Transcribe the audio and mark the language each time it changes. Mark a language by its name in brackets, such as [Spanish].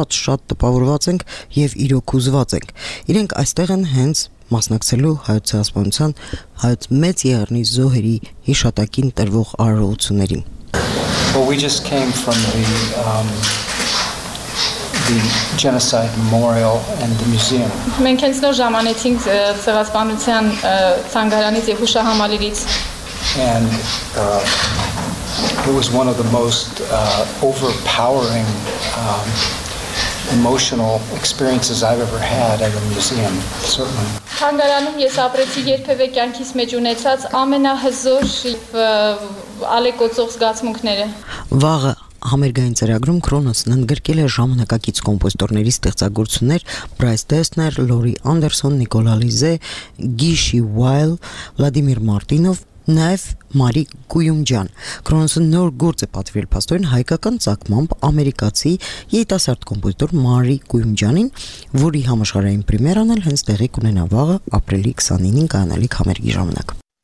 [Armenian] Շատ տպավորված ենք եւ իրոք հուզված ենք։ Իրենք այստեղ են հենց մասնակցելու հայոց ցեղասպանության հայոց մեծ եղեռնի զոհերի հիշատակին տրվող արարողություններին։ [English] The genocide memorial and the museum. [Armenian] Մենք հենց նոր ժամանեցինք ցեղասպանության ցանգարանից եւ հուշահամալիրից. [English] And it was one of the most overpowering emotional experiences I've ever had at a museum, certainly. [Armenian] Ցանգարանում ես ապրեցի երբևէ կյանքիս մեջ ունեցած ամենահզոր եւ ալեկոծող զգացմունքները։ Վաղը համերգային ծրագրում Կրոնոսն ընդգրկել է ժամանակակից կոմպոզիտորների ստեղծագործություններ՝ Բրայս Տեսներ, Լորի Անդերսոն, Նիկոլա Լիզե, Գիշի Ուայլ, Վլադիմիր Մարտինով, նաև Մարի Գույումջան։ Կրոնոսը նոր գործ է պատվիրել փաստորեն հայկական ծագմամբ ամերիկացի երիտասարդ կոմպոզիտոր Մարի Գույումջանին, որի համաշխարհային պրեմիերան էլ հենց տեղի կունենա վաղը ապրիլի 29-ին կայանալիք համերգի ժամանակ։